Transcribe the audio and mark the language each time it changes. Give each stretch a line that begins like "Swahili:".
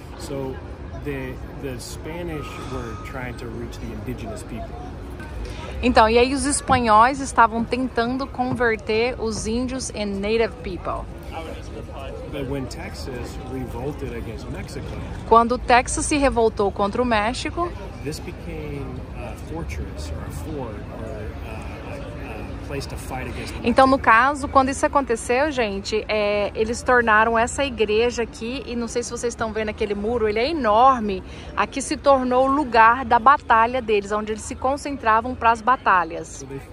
English: So the Spanish were trying to reach the indigenous people.
Portuguese: Então, e aí os espanhóis estavam tentando converter os índios em
English: native people. But when Texas revolted against Mexico,
Portuguese: quando Texas se revoltou contra o México,
English: this became a fortress or a fort or a place to fight against the Mexico.
Portuguese: Então, no caso, quando isso aconteceu, gente, eles tornaram essa igreja aqui, e não sei se vocês estão vendo aquele muro, ele é enorme, aqui se tornou o lugar da batalha deles, onde eles se concentravam para as batalhas.